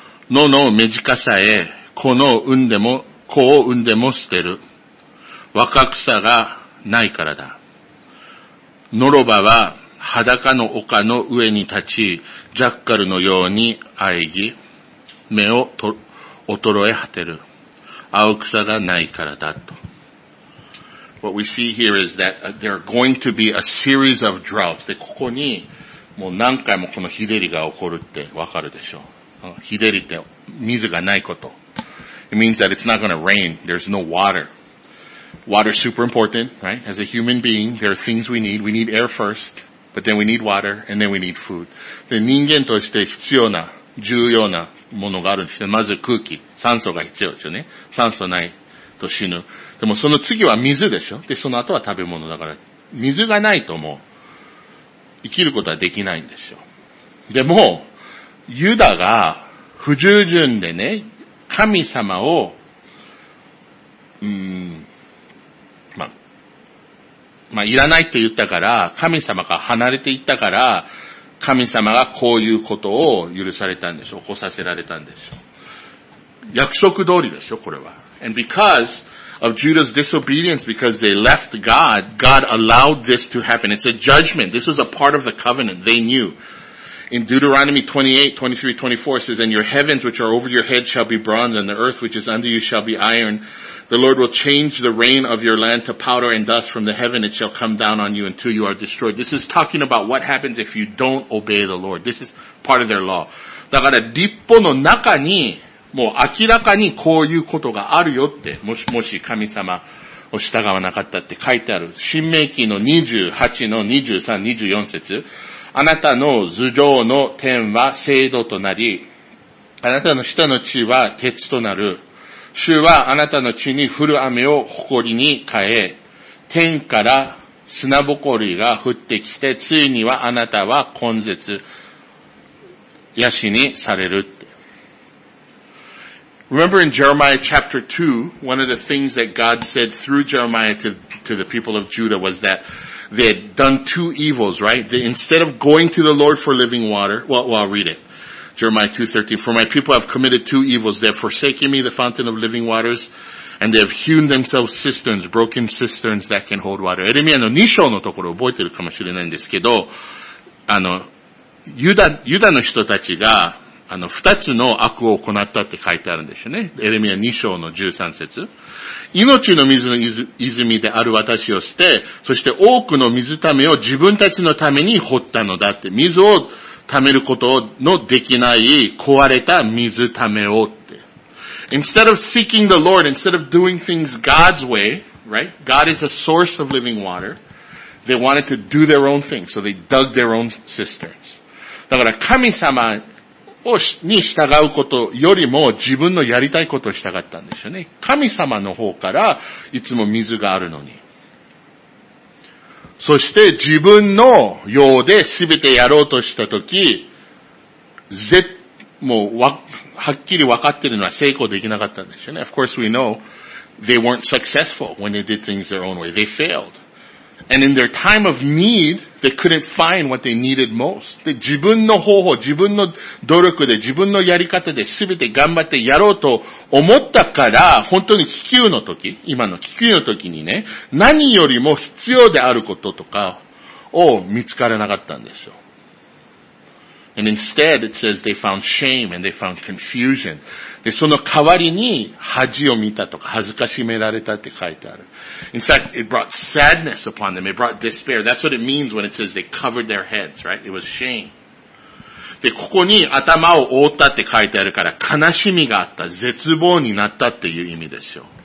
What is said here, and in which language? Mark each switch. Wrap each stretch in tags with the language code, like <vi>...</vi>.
<ja>野の目近さえ、子を産んでも捨てる。若草がないからだ。ノロバは裸の丘の上に立ち、ジャッカルのように喘ぎ、目を衰え果てる。青草がないからだと。</ja> <en>What we see here is that there are going to be a series of droughts.</en> <ja>で、ここにもう何回もこの日照りが起こるってわかるでしょう。日照りって水がないこと。</ja> <en>It means that it's not going to rain. There's no water. Water is super important, right? As a human being, there are things we need. We need air first, but then we need water, and then we need food.</en> <ja>で、人間として必要な、重要な、ものがあるんですね。まず空気、酸素が必要ですよね。酸素ないと死ぬ。でもその次は水でしょ。で、その後は食べ物だから、水がないともう生きることはできないんですよ。でも、ユダが不従順でね、神様を、いらないって言ったから、神様から離れていったから、神様がこういうことを許されたんでしょう。起こさせられたんでしょう。約束通りでしょ、これは。</ja> <en>And because of Judah's disobedience, because they left God, God allowed this to happen. It's a judgment. This was a part of the covenant. They knew. In Deuteronomy 28, 23, 24, it says, And your heavens which are over your head shall be bronze, and the earth which is under you shall be iron. The Lord will change the rain of your land to powder and dust from the heaven. It shall come down on you until you are destroyed. This is talking about what happens if you don't obey the Lord. This is part of their law.</en> <ja>だから、立法の中に、もう明らかにこういうことがあるよって、もし神様を従わなかったって書いてある。申命記の28の23、24節。あなたの頭上の天は聖土となり、あなたの下の地は鉄となる。主はあなたの地に降る雨を誇りに変え、天から砂ぼこりが降ってきて、ついにはあなたは根絶、ヤシにされる。</ja> <en>Remember in Jeremiah chapter 2, one of the things that God said through Jeremiah to the people of Judah was that they had done two evils, right? Instead of going to the Lord for living water, well, I'll read it. Jeremiah 2:13, For my people have committed two evils. They have forsaken me, the fountain of living waters, and they have hewn themselves cisterns, broken cisterns that can hold water.</en> <ja>エレミヤの2章のところ覚えてるかもしれないんですけど、ユダの人たちが、二つの悪を行ったって書いてあるんですよね。エレミア2章の13節。命の水の泉である私を捨て、そして多くの水ためを自分たちのために掘ったのだって。水を貯めることのできない壊れた水ためをって。</ja> <en>Instead of seeking the Lord, instead of doing things God's way, right? God is a source of living water. They wanted to do their own thing, so they dug their own cisterns.</en> <ja>だから神様をに従うことよりも自分のやりたいことをしたかったんですよね。神様の方からいつも水があるのに。そして自分のようで全てやろうとしたとき、もうはっきり分かっているのは成功できなかったんですよね。</ja> <en>Of course we know they weren't successful when they did things their own way. They failed. And in their time of need, they couldn't find what they needed most.</en> <ja>で、自分の方法、自分の努力で、自分のやり方で全て頑張ってやろうと思ったから、本当に気球の時、今の気球の時にね、何よりも必要であることとかを見つからなかったんですよ。</ja> <en>And instead, it says they found shame and they found confusion.</en> <ja>で、その代わりに恥を見たとか、恥ずかしめられたって書いてある。</ja> <en>In fact, it brought sadness upon them. It brought despair. That's what it means when it says they covered their heads, right? It was shame.</en> <ja>で、ここに頭を覆ったって書いてあるから、悲しみがあった、絶望になったっていう意味ですよ。</ja>